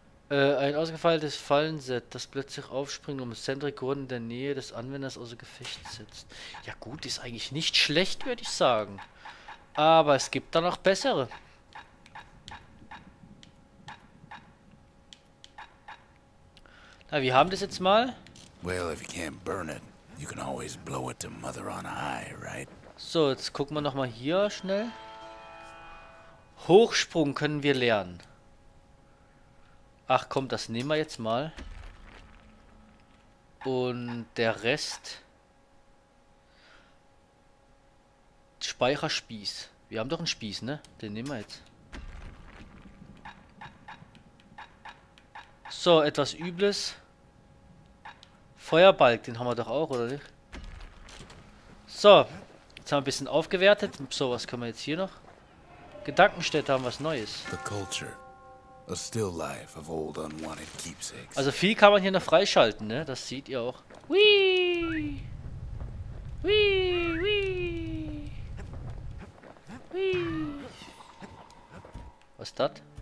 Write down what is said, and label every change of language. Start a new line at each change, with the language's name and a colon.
German: Ein ausgefeiltes Fallenset, das plötzlich aufspringt und Zentrikuren in der Nähe des Anwenders außer Gefecht setzt. Ja gut, ist eigentlich nicht schlecht, würde ich sagen. Aber es gibt da noch bessere. Ah, wir haben das jetzt mal.
English: Well, if you can't burn it, you can always blow it to mother on high, right?
German: So, jetzt gucken wir nochmal hier schnell. Hochsprung können wir lernen. Ach komm, das nehmen wir jetzt mal. Und der Rest. Speicherspieß. Wir haben doch einen Spieß, ne? Den nehmen wir jetzt. So, etwas Übles. Feuerbalg, den haben wir doch auch, oder nicht? So, jetzt haben wir ein bisschen aufgewertet. So, was können wir jetzt hier noch? Gedankenstätte haben was Neues.
English: The culture, a still life of old unwanted keepsakes.
German: Also viel kann man hier noch freischalten, ne? Das seht ihr auch. Whee! Whee! Whee! Whee! Was ist das?